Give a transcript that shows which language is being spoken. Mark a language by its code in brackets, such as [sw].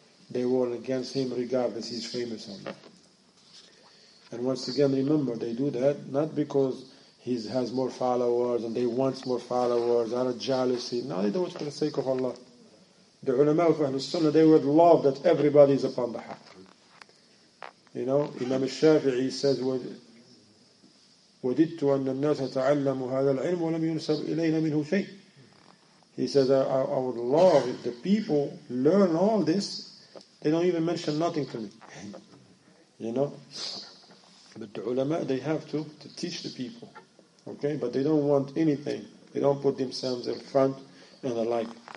[en] They war against him regardless he's famous or not. And once again, remember, they do that not because he has more followers and they want more followers out of jealousy. No, they do it for the sake of Allah. The ulama of Ahlul Sunnah, they would love that everybody is upon the haq. You know, Imam al-Shafi'i says, [ar] وَدِدْتُ أَنَّ النَّاسَ تَعَلَّمُ هَذَا الْعِلْمُ وَلَمْ يُنْسَبْ إِلَيْنَ مِنْهُ شَيْءٍ. [en] He says, I would love if the people learn all this. They don't even mention nothing to me. You know? But the ulama, they have to teach the people. Okay? But they don't want anything. They don't put themselves in front and the like.